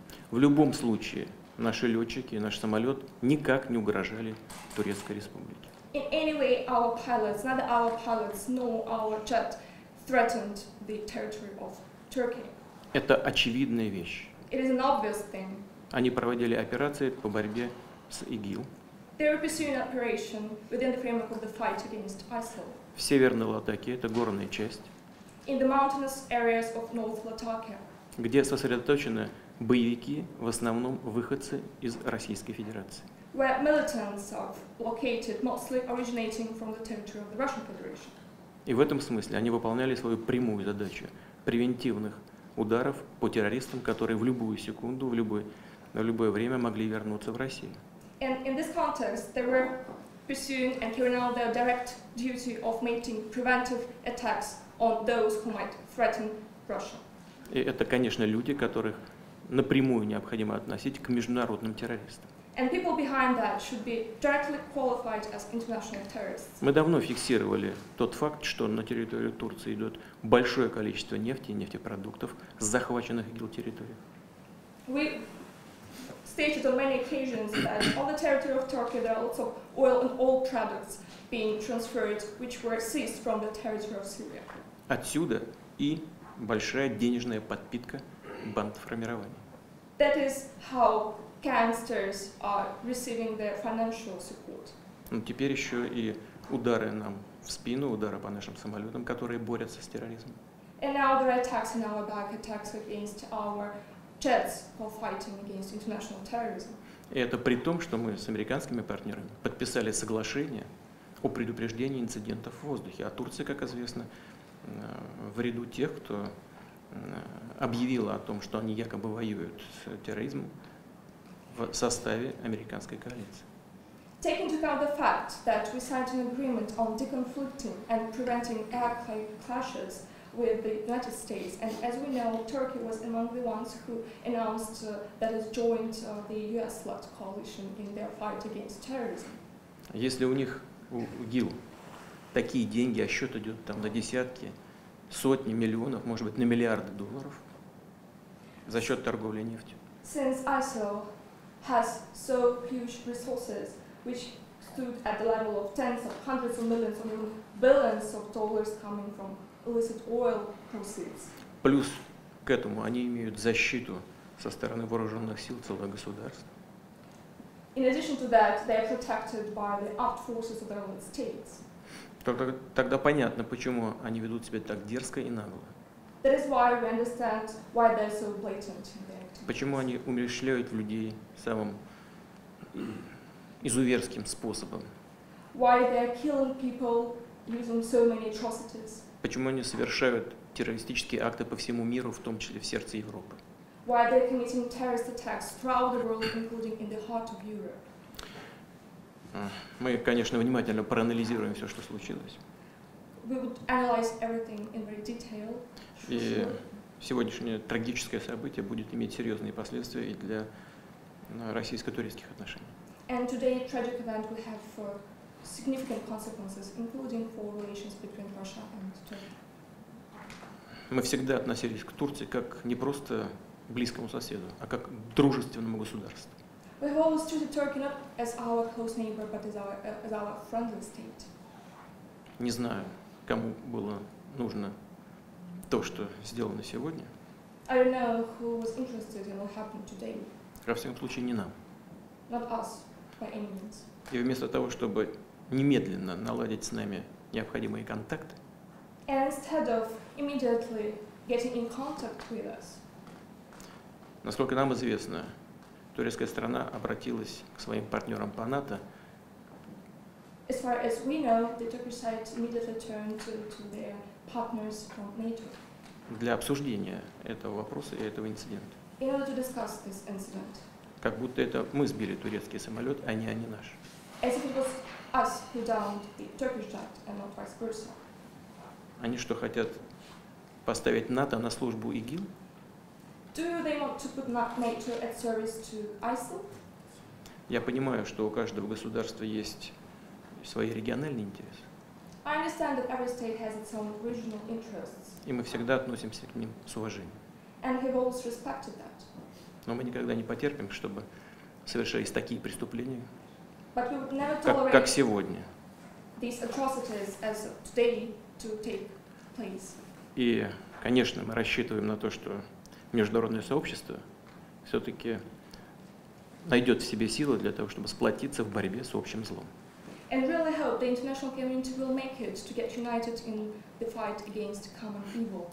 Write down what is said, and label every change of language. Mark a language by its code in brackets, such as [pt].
[ru] В любом случае, наши летчики и наш самолет никак не угрожали Турецкой Республике. [en] In any way, our pilots, neither our pilots nor our jet threatened the territory of Turkey. [ru] Это очевидная вещь. [en] It is an obvious thing. [ru] Они проводили операции по борьбе с ИГИЛ. [en] They were pursuing an operation within the framework of the fight against ISIL. [ru] В Северной Латакии, это горная часть. [en] In the mountainous areas of North Latakia. [ru] Где сосредоточены боевики, в основном выходцы из Российской Федерации. [en] Where militants are located, mostly originating from the territory of the Russian Federation. [ru] И в этом смысле они выполняли свою прямую задачу превентивных ударов по террористам, которые в любую секунду, в любое время могли вернуться в Россию. [en] And in this context, they were pursuing and carrying out their direct duty of making preventive attacks on those who might threaten Russia. [ru] И это, конечно, люди, которых напрямую необходимо относить к международным террористам. [en] And people behind that should be directly qualified as international terrorists. [ru] Мы давно фиксировали тот факт, что на территорию Турции идет большое количество нефти и нефтепродуктов с захваченных ИГИЛ территорий. [en] We stated on many occasions that on the territory of Turkey there are lots of oil and oil products being transferred, which were seized from the territory of Syria. [ru] Отсюда и большая денежная подпитка бандформирований. [en] That is how gangsters are receiving their financial support. [ru] Ну, теперь еще и удары нам в спину, удары по нашим самолетам, которые борются с терроризмом. [en] And now there are attacks in our back, attacks against our jets for fighting against international terrorism. [ru] И это при том, что мы с американскими партнерами подписали соглашение о предупреждении инцидентов в воздухе. А Турция, как известно, в ряду тех, кто объявила о том, что они якобы воюют с терроризмом в составе американской коалиции. [en] Take into account the fact that we signed an agreement on deconflicting and preventing airplane clashes with the United States, and as we know, Turkey was among the ones who announced that it joined the US-led coalition in their fight against terrorism. [ru] Если у них, у ИГИЛ, такие деньги, а счет идет там на десятки, сотни миллионов, может быть, на миллиарды долларов за счет торговли нефтью. [en] Since ISIL has so huge resources, which stood at the level of tens of hundreds of millions of billions of dollars coming from illicit oil proceeds. [ru] Плюс к этому они имеют защиту со стороны вооруженных сил целого государства. [en] In addition to that, they are protected by the armed forces of their own states. [ru] Тогда понятно, почему они ведут себя так дерзко и нагло. [en] That is why we understand why they are so blatant. [ru] Почему они умерщвляют людей самым изуверским способом? [en] Why they are killing people using so many atrocities? [ru] Почему они совершают террористические акты по всему миру, в том числе в сердце Европы? [en] Why they are committing terrorist attacks throughout the world, including in the heart of Europe? [ru] Мы, конечно, внимательно проанализируем все, что случилось. [en] We would analyze everything in very detail. [ru] Сегодняшнее трагическое событие будет иметь серьезные последствия и для российско-турецких отношений. [en] And today, a tragic event will have for significant consequences, including for relations between Russia and Turkey. [ru] Мы всегда относились к Турции как не просто близкому соседу, а как дружественному государству. [en] We have always treated Turkey not as our close neighbor, but as our friendly state. [ru] Не знаю, кому было нужно то, что сделано сегодня. [en] I don't know who was interested in what happened today. [ru] Во всяком случае, не нам. [en] Not us, by any means. [ru] И вместо того, чтобы немедленно наладить с нами необходимые контакты, [en] instead of immediately getting in contact with us, [ru] насколько нам известно, турецкая страна обратилась к своим партнерам по НАТО. [en] As far as we know, the Turkish side immediately turned to their partners from NATO. [ru] Для обсуждения этого вопроса и этого инцидента. [en] In order to discuss this incident. [ru] Как будто это мы сбили турецкий самолет, а не они наш. [en] As if it was us who downed the Turkish jet and not vice versa. [ru] Они что, хотят поставить НАТО на службу ИГИЛ? [en] Do they want to put NATO at service to ISIL? [ru] Я понимаю, что у каждого государства есть свои региональные интересы. [en] I understand that every state has its own regional interests. [ru] И мы всегда относимся к ним с уважением. [en] And we've always respected that. [ru] Но мы никогда не потерпим, чтобы совершались такие преступления, [en] but we would never tolerate [ru] как сегодня. [en] These atrocities as today to take place. [ru] И, конечно, мы рассчитываем на то, что международное сообщество все-таки найдет в себе силы для того, чтобы сплотиться в борьбе с общим злом. [en] And really hope the international community will make it to get united in the fight against common evil.